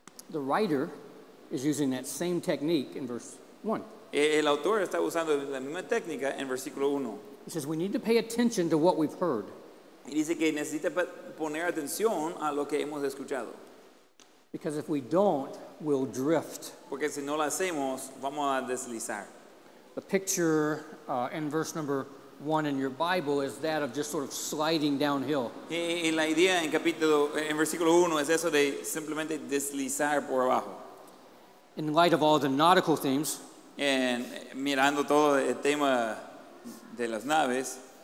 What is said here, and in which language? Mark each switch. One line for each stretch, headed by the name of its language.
English: The writer is using that same technique in verse 1.
Spanish: El autor está usando la misma técnica en versículo 1.
English: He says we need to pay attention to what we've heard.
Spanish: Y dice que necesita poner atención a lo que hemos escuchado.
English: Because if we don't, we'll drift.
Spanish: Porque si no lo hacemos, vamos a deslizar.
English: The picture in verse number 1 in your Bible is that of just sort of sliding downhill.
Spanish: Y la idea en capítulo, en versículo 1 es eso de simplemente deslizar por abajo.
English: In light of all the nautical themes.
Spanish: En mirando todo el tema de las naves.